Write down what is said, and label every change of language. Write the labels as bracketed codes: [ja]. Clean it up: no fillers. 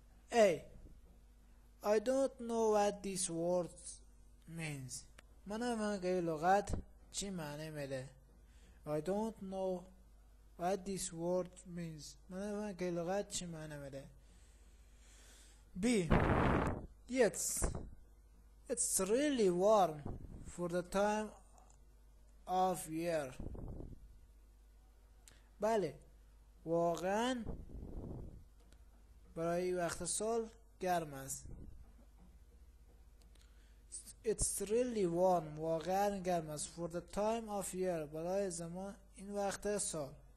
[en] I don't know what this word means. [fa] من نمیدونم که این لغت چی معنی میده. [en] I don't know what this word means. [fa] من نمیدونم که این لغت چی معنی میده. [en] B. Yes. It's really warm for the time of year. [fa] بله. واقعا برای وقت سال گرم است. [en] It's really warm. [fa] واقعا گرم است. [en] For the time of year. [fa] برای زمان این وقت سال.